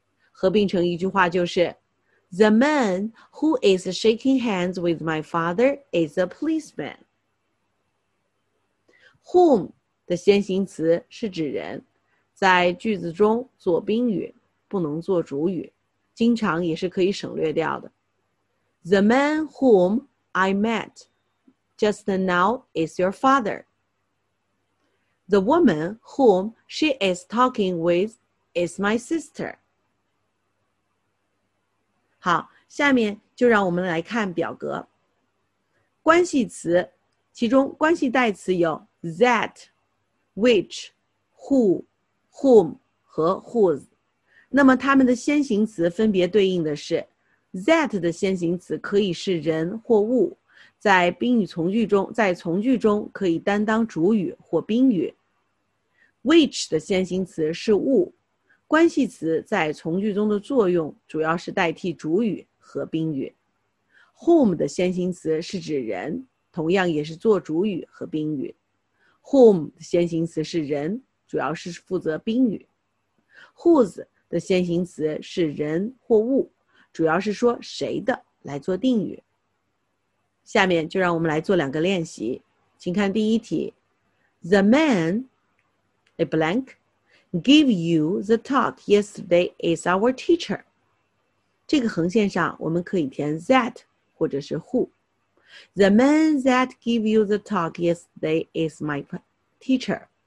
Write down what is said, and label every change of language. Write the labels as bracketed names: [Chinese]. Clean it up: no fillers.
[Chinese] 合并成一句话就是 [English] The man who is shaking hands with my father is a policeman. [Chinese] Whom 的先行词是指人，在句子中做宾语，不能做主语，经常也是可以省略掉的。 [English] The man whom I met just now is your father. The woman whom she is talking with is my sister. [Chinese] 好，下面就让我们来看表格。关系词，其中关系代词有 that, which, who, whom 和 whose。那么它们的先行词分别对应的是 that 的先行词可以是人或物，在宾语从句中，在从句中可以担当主语或宾语。 Which 的先行词是物，关系词在从句中的作用主要是代替主语和宾语。 Whom 的先行词是指人，同样也是做主语和宾语。 Whom 的先行词是人，主要是负责宾语。 Whose 的先行词是人或物，主要是说谁的来做定语。下面就让我们来做两个练习，请看第一题。 [English] The man, a blank, gave you the talk yesterday is our teacher. [Chinese] 这个横线上我们可以填 that 或者是 who. [English] The man that gave you the talk yesterday is my teacher.